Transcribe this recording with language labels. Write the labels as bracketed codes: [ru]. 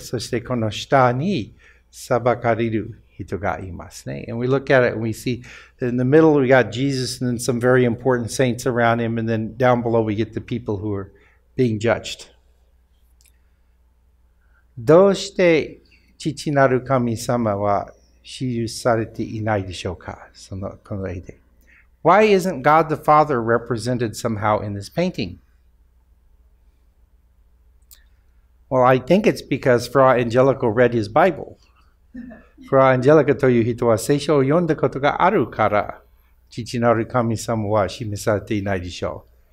[ja] そしてこの下に裁かれる人がいますね。 [en] And we look at it and we see that in the middle we got Jesus and then some very important saints around him and then down below we get the people who areBeing judged. [ja] どうして父なる神様は記されていないでしょうか？そのこの絵で。 [en] Why isn't God the Father represented somehow in this painting? Well, I think it's because Fra Angelico read his Bible. [ja] Fra Angelico という人は聖書を読んだことがあるから、父なる神様は示されていないでしょう。